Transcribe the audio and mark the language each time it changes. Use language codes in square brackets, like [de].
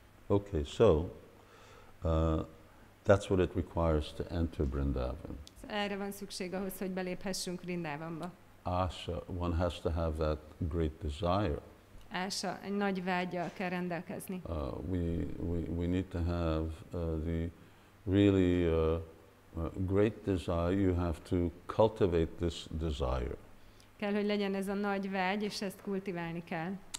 [en] Okay, so that's what it requires to enter Vṛndāvana. [hu] Erre van szükség ahhoz, hogy beléphessünk Vṛndāvanba. [en] Asha, one has to have that great desire. [hu] Asha, egy nagy vágyal kell rendelkezni. [en] We need to have the really great desire. You have to cultivate this desire. [hu] Kell, hogy legyen ez a nagy vágy, és ezt kultiválni kell.